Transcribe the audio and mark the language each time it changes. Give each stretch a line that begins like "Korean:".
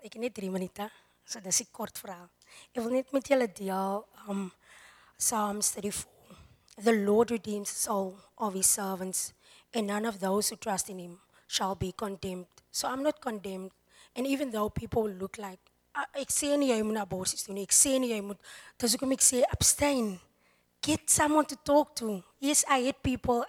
Afrikaans: Ek het net 3 minute, so dis 'n kort verhaal. Ek wil net met julle deel Psalms 34.
English: The Lord redeems the soul of his servants, and none of those who trust in him shall be condemned. So I'm not condemned, and even though people look like,
Afrikaans: ek sê nie jy moet abortus doen, ek sê nie jy moet, dis hoekom ek sê abstain.
English: Get someone to talk to. Yes, I hate people.